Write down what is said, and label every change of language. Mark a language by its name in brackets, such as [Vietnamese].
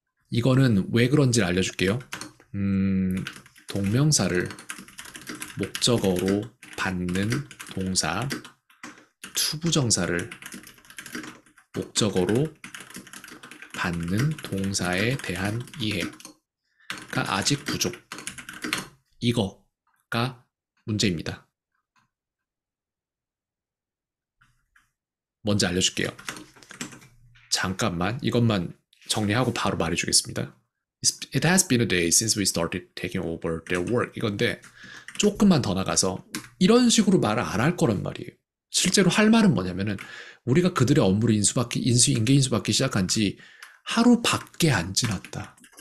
[Korean] 이거는 왜 그런지 알려줄게요. 동명사를 목적어로 받는 동사, 투부정사를 목적어로 받는 동사에 대한 이해가 아직 부족. 이거가 문제입니다. 먼저 알려줄게요. 잠깐만, 이것만 정리하고 바로 말해주겠습니다. [English] It has been a day since we started taking over their work. [Korean] 이건데 조금만 더 나가서 이런 식으로 말을 안 할 거란 말이에요. 실제로 할 말은 뭐냐면은 우리가 그들의 업무를 인수인계 인수받기 시작한 지 하루밖에 안 지났다.